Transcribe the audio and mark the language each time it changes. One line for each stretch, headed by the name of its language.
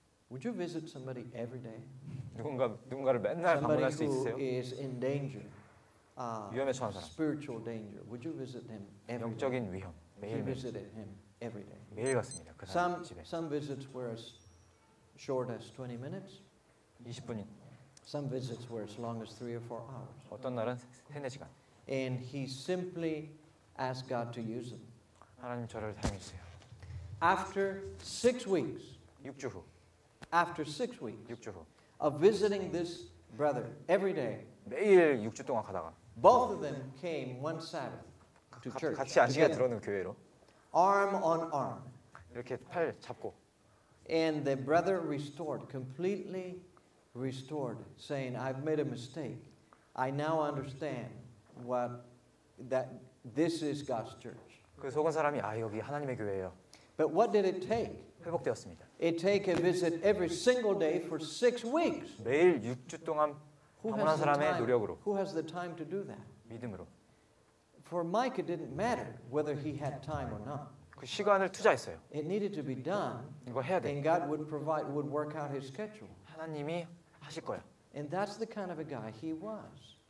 English: Would you visit somebody every day?
Korean: 누군가를 맨날 방문할 수 있으세요?
English: Somebody who is in danger.
Korean: 위험에 처한 사람.
English: Spiritual danger. Would you visit him every day?
Korean: 영적인 위험. 매일.
English: He visited him every day.
Korean: 매일 갔습니다. 그 사람 집에.
English: Some visits were as short as 20 minutes.
Korean: 20분이.
English: Some visits were as long as 3 or 4 hours.
Korean: 어떤 날은 3-4시간.
English: And he simply asked God to use him.
Korean: 하나님 저를 사용해주세요.
English: After 6 weeks,
Korean: 6주 후,
English: after 6 weeks,
Korean: 6주 후,
English: of visiting this brother every day,
Korean: 매일 6주 동안 가다가,
English: both of them came one Sabbath to church.
Korean: 같이 안식에 들어오는 교회로,
English: arm on arm,
Korean: 이렇게 팔 잡고,
English: and the brother restored, completely restored, saying, "I've made a mistake. I now understand what that this is God's church."
Korean: 그 속은 사람이 아 여기 하나님의 교회예요.
English: But what did it take?
Korean: 회복되었습니다.
English: It take a visit every single day for 6 weeks.
Korean: 매일 6주 동안 방문한 사람의 노력으로.
English: Who has the time to do that?
Korean: 믿음으로.
English: For Mike, it didn't matter whether he had time or not.
Korean: 그 시간을 투자했어요.
English: It needed to be done.
Korean: 이거 해야 돼.
English: And God would provide, would work out his schedule.
Korean: 하나님이 하실 거야.
English: And that's the kind of a guy he was.